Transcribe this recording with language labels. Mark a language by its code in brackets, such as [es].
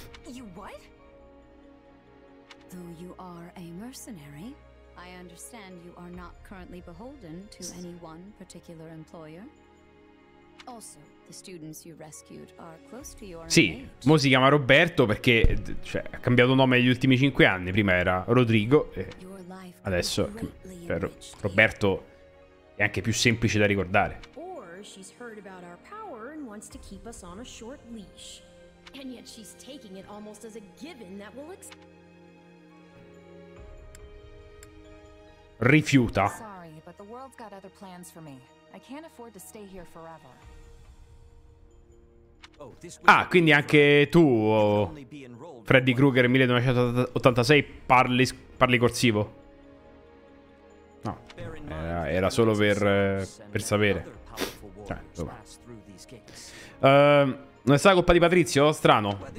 [en] You what? Though you are a mercenary, I understand you are not currently beholden to any one particular employer. Also, the students you rescued are close to your [it] sì, mo si chiama Roberto perché cioè, ha cambiato nome negli ultimi 5 anni. Prima era Rodrigo e adesso per Roberto è anche più semplice da ricordare. [en] She's heard about our power and wants to keep us on a short leash. And yet she's taking it almost as a given that will [it] rifiuta. [en] Sorry, but the world's got other plans for me. I can't afford to stay here forever. [it] Ah, quindi anche tu, Freddy Krueger 1986, parli corsivo. No, era solo per sapere. Non è stata colpa di Patrizio? Strano.